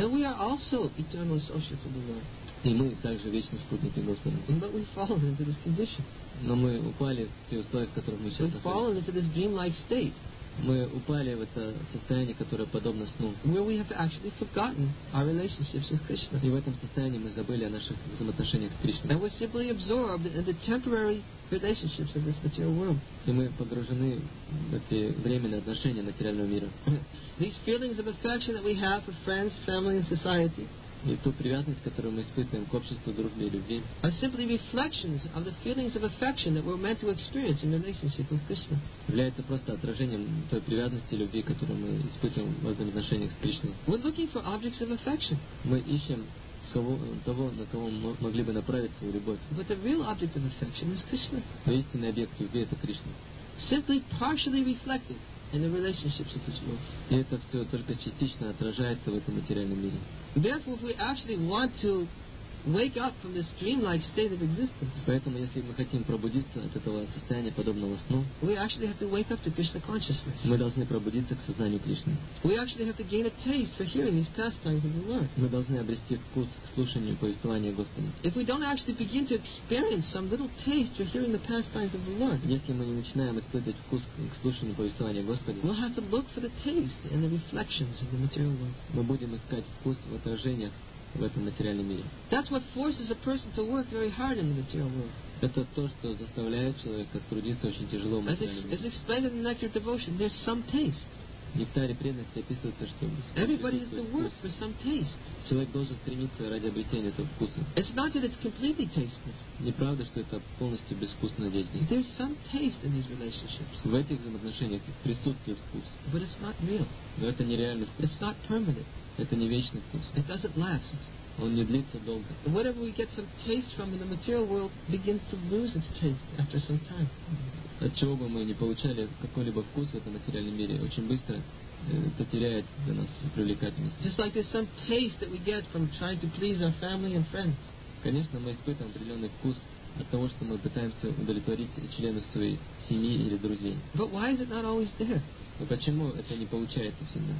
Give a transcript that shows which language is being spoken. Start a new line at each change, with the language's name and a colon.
English: And we are also eternal associates of the Lord.
Russian: И мы также вечные спутники Господа.
English: But we've fallen into this condition.
Russian: Но мы упали в те условия, в которых мы сейчас находимся.
English: We've fallen into this dreamlike state.
Russian: Мы упали в это состояние, которое подобно сну.
English: Where we have actually forgotten our relationships with Krishna.
Russian: И в этом состоянии мы забыли о наших взаимоотношениях с Кришной.
English: And we're simply absorbed in the temporary relationships of this material world.
Russian: И мы погружены в эти временные отношения материального мира.
English: These feelings of affection that we have for friends, family and society.
Russian: И ту привязанность, которую мы испытываем к обществу, дружбе и любви,
English: are simply reflections of the feelings of affection that we're meant to experience in relationship with Krishna.
Russian: Является просто отражением той привязанности и любви, которую мы испытываем в отношениях с Кришной.
English: We're looking for objects of affection.
Russian: Мы ищем того, на кого мы могли бы направить свою любовь.
English: But the real object of affection is Krishna.
Russian: Но истинный объект любви — это Кришна.
English: Simply partially reflected in the relationships of this world.
Russian: И это все только частично отражается в этом материальном мире.
English: Therefore, if we actually want to wake up from this dreamlike state of existence,
Russian: поэтому если мы хотим пробудиться от этого состояния подобного сну,
English: we actually have to wake up to Krishna consciousness.
Russian: Мы должны пробудиться к сознанию Кришны.
English: We actually have to gain a taste for hearing these pastimes of the Lord.
Russian: Мы должны обрести вкус к слушанию повествования Господа.
English: If we don't actually begin to experience some little taste for hearing the pastimes of the Lord,
Russian: если мы не начинаем испытывать вкус к слушанию повествования Господа,
English: we'll have to look for the taste in the reflections of the material world.
Russian: Мы будем искать вкус в отражениях в этом материальном мире.
English: That's what forces a person to work very hard in the material world.
Russian: Это то, что заставляет человека трудиться очень тяжело в материальном мире.
English: As explained in the nectar of devotion, there's some taste.
Russian: нектаре преданности описывается, что
English: everybody has to work for some taste.
Russian: Человек должен стремиться ради обретения этого вкуса.
English: It's not that it's completely tasteless.
Russian: Не правда, что это полностью безвкусная деятельность.
English: There's some taste in these relationships.
Russian: В этих взаимоотношениях присутствует вкус.
English: But it's not real.
Russian: Но это нереальный вкус.
English: It's not permanent.
Russian: Это не вечный вкус.
English: It doesn't last.
Russian: Он не длится долго.
English: Whatever we get some taste from in the material world begins to lose its taste after some time.
Russian: От чего бы мы ни получали какой-либо вкус в этом материальном мире, очень быстро потеряет для нас привлекательность.
English: Just like there's some taste that we get from trying to please our family and friends.
Russian: Конечно, мы испытываем определенный вкус от того, что мы пытаемся удовлетворить членов своей семьи или друзей.
English: But why is it not always there?
Russian: Но почему это не получается всегда?